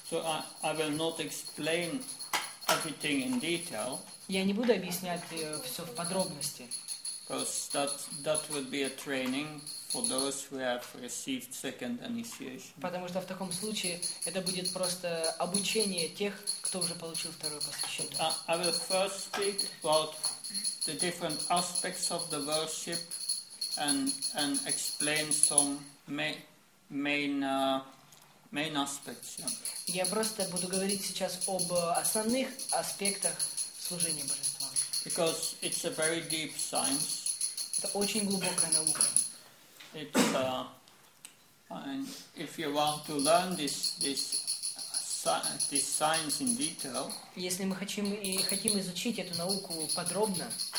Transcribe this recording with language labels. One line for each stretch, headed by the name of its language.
English: So I will not explain everything in detail.
Russian: Я не буду объяснять все в подробности.
English: Because that would be a training for those who have received second initiation.
Russian: Потому что в таком случае это будет просто обучение тех, кто уже получил второе посвящение.
English: I will first speak about the different aspects of the worship and explain some main aspects.
Russian: Я просто буду говорить сейчас об основных аспектах служения божествам.
English: Because it's a very deep science.
Russian: Это очень глубокая наука.
English: It's and if you want to learn this science in detail.
Russian: Если мы хотим изучить эту науку подробно.